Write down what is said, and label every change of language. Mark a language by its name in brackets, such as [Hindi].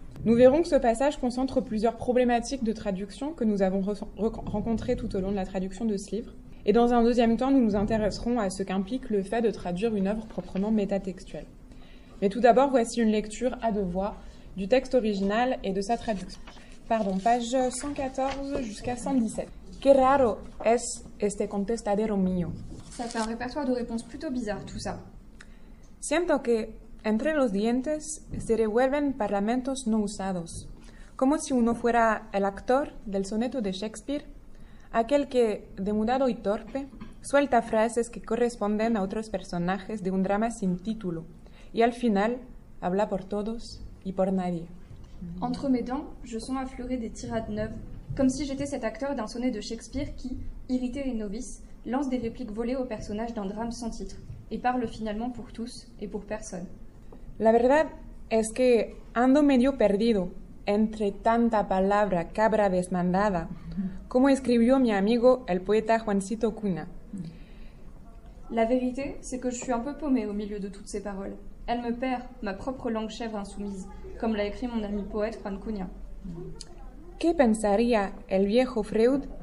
[French] Nous verrons que ce passage concentre plusieurs problématiques de traduction que nous avons rencontrées tout au long de la traduction de ce livre. Et dans un deuxième temps, nous nous intéresserons à ce qu'implique le fait de traduire une œuvre proprement métatextuelle. Mais tout d'abord, voici une lecture à deux voix du texte original et de sa traduction. Pardon, page 114 jusqu'à 117. [Spanish] Qué raro es este contestadero mío. [French] Ça fait un répertoire de réponses plutôt bizarre, tout ça. [Spanish] Siento que entre los dientes se revuelven parlamentos no usados, como si uno fuera el actor del soneto de Shakespeare, aquel que, demudado y torpe, suelta frases que corresponden a otros personajes de un drama sin título, y al final habla por todos y por nadie. [French] Entre mes dents, je sens affleurer des tirades neuves, comme si j'étais cet acteur d'un sonnet de Shakespeare qui, irrité et novice, lance des répliques volées aux personnages d'un drame sans titre, et parle finalement pour tous et pour personne. [Spanish] La verdad es que ando medio perdido entre tanta palabra cabra desmandada, como escribió mi amigo el poeta Juancito Cuna. [French] La vérité, c'est que je suis un peu paumée au milieu de toutes ces paroles. Elle me perd, ma propre langue chèvre insoumise, comme l'a écrit mon ami poète Juan Cuna. [Spanish] ¿Qué pensaría el viejo Freud?